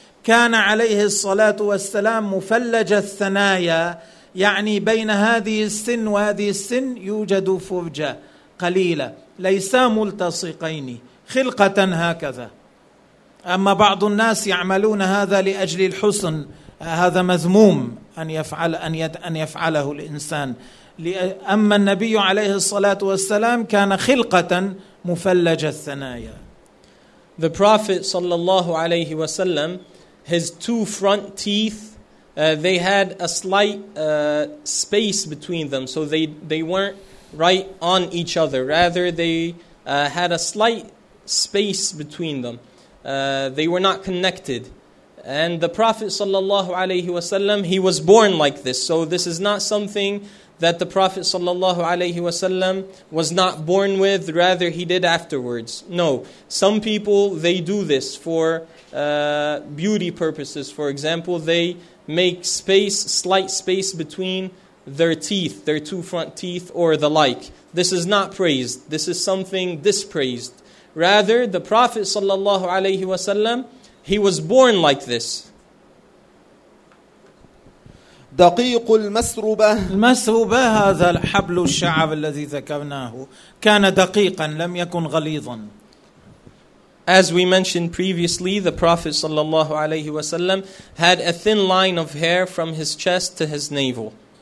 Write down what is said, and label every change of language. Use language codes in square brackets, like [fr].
[ar] كان عليه الصلاة والسلام مفلج الثنايا يعني بين هذه السن وهذه السن يوجد فرجة قليلة ليسا ملتصقين خلقة هكذا. أما بعض الناس يعملون هذا لأجل الحسن, هذا مذموم أن يفعله الإنسان. أما النبي عليه الصلاة والسلام كان خلقة مفلج الثنايا. [en] The Prophet [ar] صلى الله عليه وسلم, [en] his two front teeth, they had a slight space between them, so they weren't right on each other. Rather, they had a slight space between them. They were not connected. And the Prophet [ar] sallallahu alaihi wasallam, [en] he was born like this. So this is not something that the Prophet [ar] sallallahu alaihi wasallam [en] was not born with. Rather, he did afterwards. No, some people, they do this for beauty purposes. For example, they make space, slight space between their teeth, their two front teeth or the like. This is not praised. This is something dispraised. Rather, the Prophet [ar] sallallahu alayhi wasallam, [en] he was born like this. [ar] دقيق المسربة. المسربة هذا الحبل الشعب الذي ذكرناه كان دقيقا لم يكن غليظا. [en] As we mentioned previously, the Prophet [ar] sallallahu alayhi wa sallam [en] had a thin line of hair from his chest to his navel.